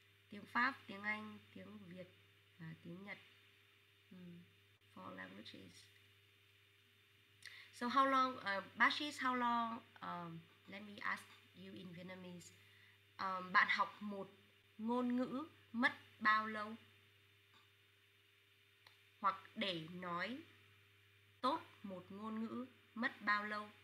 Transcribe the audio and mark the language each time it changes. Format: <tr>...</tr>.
<vi>Tiếng Pháp, tiếng Anh, tiếng Việt, tiếng Nhật.</vi> <en>Four languages. So how long, Bashis, how long, let me ask you in Vietnamese.</en> <vi>Bạn học một ngôn ngữ mất bao lâu? Hoặc để nói tốt một ngôn ngữ mất bao lâu?</vi>